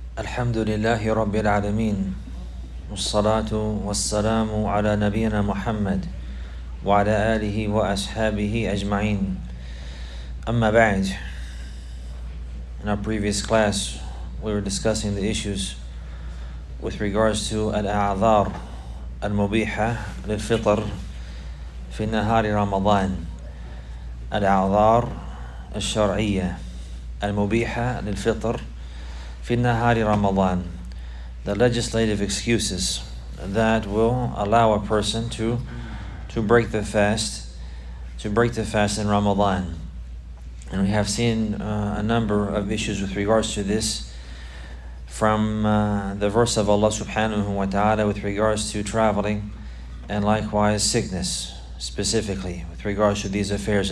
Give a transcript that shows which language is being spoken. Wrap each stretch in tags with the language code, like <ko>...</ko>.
<ar>الحمد لله رب العالمين والصلاة والسلام على نبينا محمد وعلى آله وأصحابه أجمعين أما بعد.</ar> <en>In our previous class, we were discussing the issues with regards to</en> <ar>الأعذار المبيحة للفطر في نهار رمضان. الأعذار الشرعية المبيحة للفطر في نهار رمضان.</ar> <en>The legislative excuses that will allow a person to break the fast in Ramadan. And we have seen a number of issues with regards to this from the verse of Allah subhanahu wa ta'ala with regards to traveling and likewise sickness, specifically with regards to these affairs.</en>